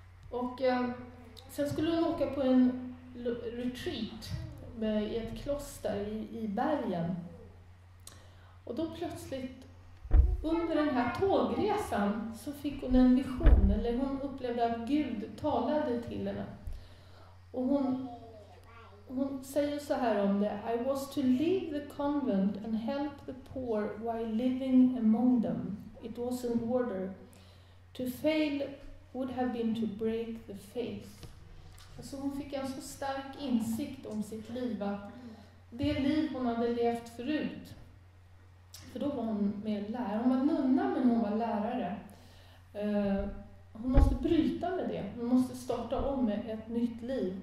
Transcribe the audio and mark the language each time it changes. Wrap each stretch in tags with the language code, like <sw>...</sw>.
<sv>Och sen skulle hon åka på en retreat i ett kloster i bergen. Och då plötsligt, under den här tågresan, så fick hon en vision, eller hon upplevde att Gud talade till henne. Och hon säger så här om det:</sv> <en>I was to leave the convent and help the poor while living among them. It was an order. To fail would have been to break the faith.</en> <sv>Alltså hon fick en så stark insikt om sitt liv, att det liv hon hade levt förut. För då var hon med lärare. Hon var nunna, men hon var lärare. Hon måste bryta med det. Hon måste starta om med ett nytt liv.</sv>